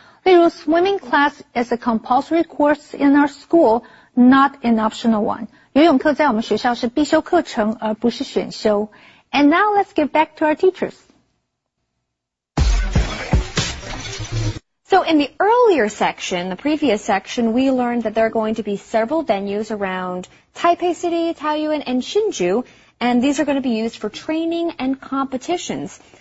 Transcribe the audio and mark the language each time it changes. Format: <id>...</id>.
<zh>例如</zh> <en>swimming class is a compulsory course in our school, not an optional one.</en> <zh>游泳课在我们学校是必修课程而不是选修。</zh> <en>And now let's get back to our teachers. So in the earlier section, the previous section, we learned that there are going to be several venues around Taipei City, Taoyuan, and Hsinchu, and these are going to be used for training and competitions.</en>